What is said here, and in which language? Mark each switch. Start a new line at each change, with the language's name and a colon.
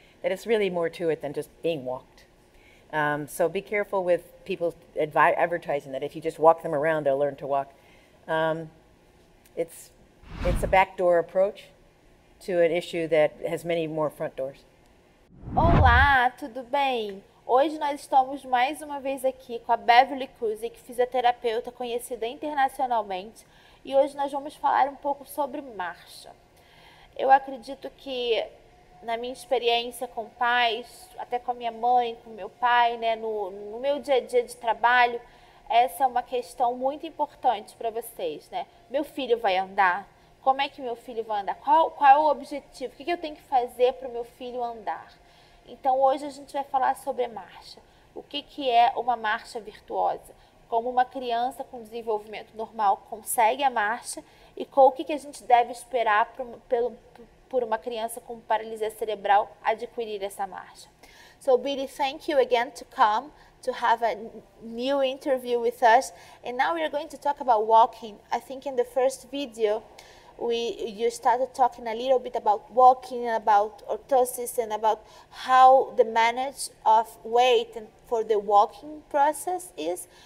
English: That it's really more to it than just being walked. So be careful with people advertising that if you just walk them around, they'll learn to walk. It's a backdoor approach to an issue that has many more front doors.
Portuguese: Olá, tudo bem? Hoje nós estamos mais uma vez aqui com a Beverly Cusick, fisioterapeuta conhecida internacionalmente, e hoje nós vamos falar um pouco sobre marcha. Eu acredito que, na minha experiência com pais, até com a minha mãe, com meu pai, né, no meu dia a dia de trabalho, essa é uma questão muito importante para vocês, né? Meu filho vai andar? Como é que meu filho vai andar? Qual é o objetivo? O que eu tenho que fazer para o meu filho andar? Então, hoje a gente vai falar sobre marcha. O que que é uma marcha virtuosa? Como uma criança com desenvolvimento normal consegue a marcha? E qual, o que que a gente deve esperar por uma criança com paralisia cerebral adquirir essa marcha?
English: So, Billy, thank you again to come to have a new interview with us. And now we are going to talk about walking. I think in the first video, you started talking a little bit about walking and about orthosis and about how the manage of weight and for the walking process is.